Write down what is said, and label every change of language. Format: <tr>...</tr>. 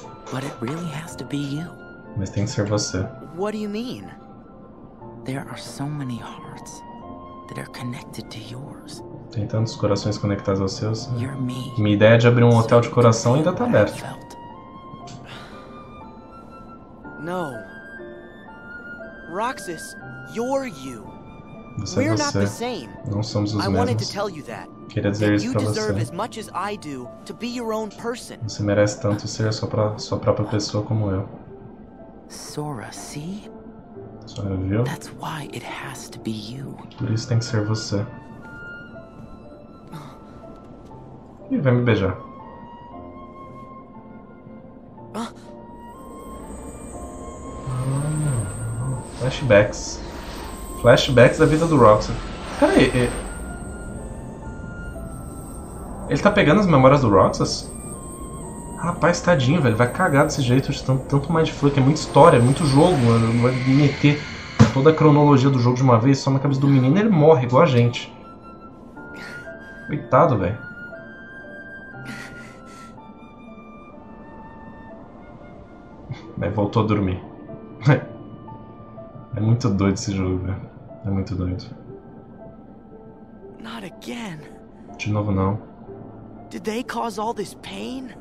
<en>But it really has to be you.</en> <pt>Mas tem que ser você.</pt> <en>What do you mean? There are so many hearts that are connected to yours.</en> <pt>Tem tantos corações conectados aos seus. Né? Minha ideia de abrir um hotel de coração ainda tá aberta. Não.</pt> <en>Roxas, you're you.</en> <pt>Você é você. Não somos os mesmos. Eu queria dizer isso pra você. Você merece tanto ser a sua própria pessoa como eu.</pt> <en>Sora, see?</en> <pt>Sora, viu?</pt> <en>That's why it has to be you.</en> <pt>Por isso tem que ser você. E vai me beijar. Flashbacks. Flashbacks da vida do Roxas. Pera aí. Ele tá pegando as memórias do Roxas? Rapaz, tadinho, velho. Vai cagar desse jeito de tanto mindfuck. É muita história, é muito jogo. Vai meter toda a cronologia do jogo de uma vez só na cabeça do menino e ele morre igual a gente. Coitado, velho. Mas voltou a dormir. É muito doido esse jogo, velho. É muito doido.</pt> <en>Not again.</en> <pt>De novo não.</pt> <en>Did they cause all this pain?</en>